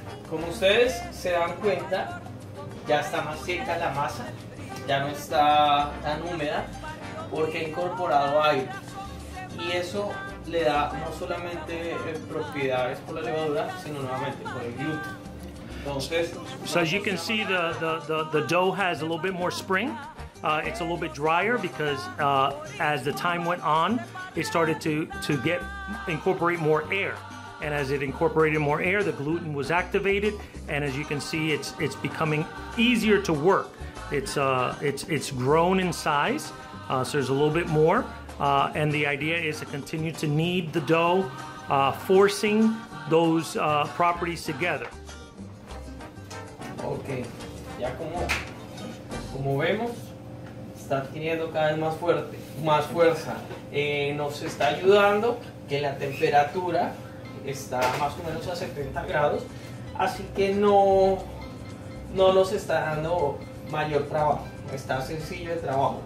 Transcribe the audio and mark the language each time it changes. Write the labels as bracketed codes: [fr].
[es] Como ustedes se dan cuenta, ya está más seca la masa, ya no está tan húmeda porque ha incorporado aire, y eso le da no solamente propiedades por la levadura, sino nuevamente por el gluten. [en] So as you can see, the dough has a little bit more spring. It's a little bit drier because as the time went on, it started to incorporate more air. And as it incorporated more air, the gluten was activated. And as you can see, it's becoming easier to work. It's grown in size, so there's a little bit more. And the idea is to continue to knead the dough, forcing those properties together. [es] Ok, ya como vemos, está adquiriendo cada vez más fuerza. Nos está ayudando que la temperatura está más o menos a 70 grados, así que no nos está dando mayor trabajo, está sencillo de trabajo.